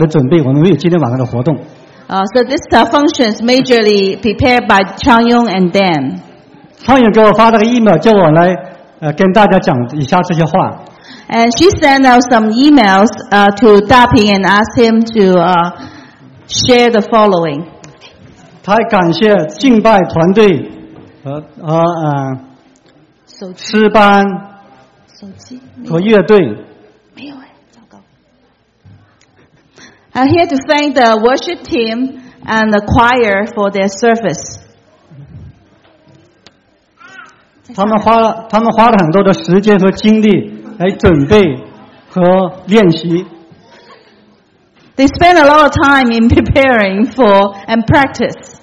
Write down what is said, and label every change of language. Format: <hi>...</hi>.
<en>So this function is majorly prepared by Chang Yong and Dan.</en> <zh>Chang Yong 给我发了个email，叫我来跟大家讲以下这些话。</zh> <en>And she sent out some emails to Daping and asked him to share the following.</en> <zh>他感谢敬拜团队和诗班和乐队。没有哎，糟糕。I'm</zh> <en>here to thank the worship team and the choir for their service.</en> <zh>他们花了很多的时间和精力。</zh> <en>They spend a lot of time in preparing for and practice.</en>